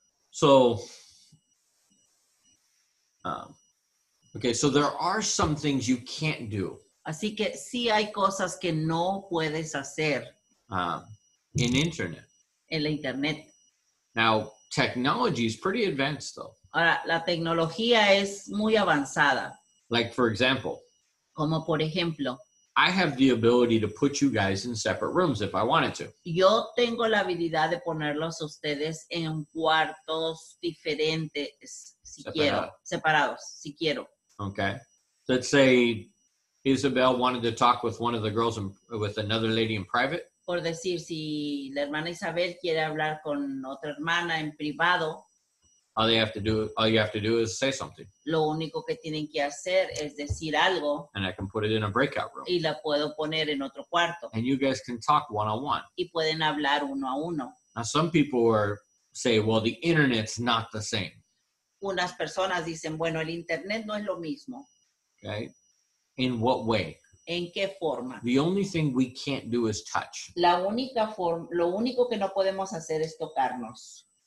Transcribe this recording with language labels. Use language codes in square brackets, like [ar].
[en] So, okay, so there are some things you can't do. [es] Así que sí hay cosas que no puedes hacer. [en] In internet. [es] En la internet. [en] Now, technology is pretty advanced, though. [es] Ahora, la tecnología es muy avanzada. [en] Like, for example. [es] Como por ejemplo. [en] I have the ability to put you guys in separate rooms if I wanted to. [es] Yo tengo la habilidad de ponerlos a ustedes en cuartos diferentes. Separados, si quiero. [en] Okay. Let's say Isabel wanted to talk with one of the girls with another lady in private. [es] Por decir, si la hermana Isabel quiere hablar con otra hermana en privado. [en] All you have to do is say something. [es] Lo único que tienen que hacer es decir algo. [en] And I can put it in a breakout room. [es] Y la puedo poner en otro cuarto. [en] And you guys can talk one on one. [es] Y pueden hablar uno a uno. [en] Now some people say, well, the internet's not the same. [es] Unas personas dicen, bueno, el internet no es lo mismo. [en] Okay. In what way? [es] ¿En qué forma? [en] The only thing we can't do is touch. [es] La única forma, lo único que no podemos hacer es tocarnos.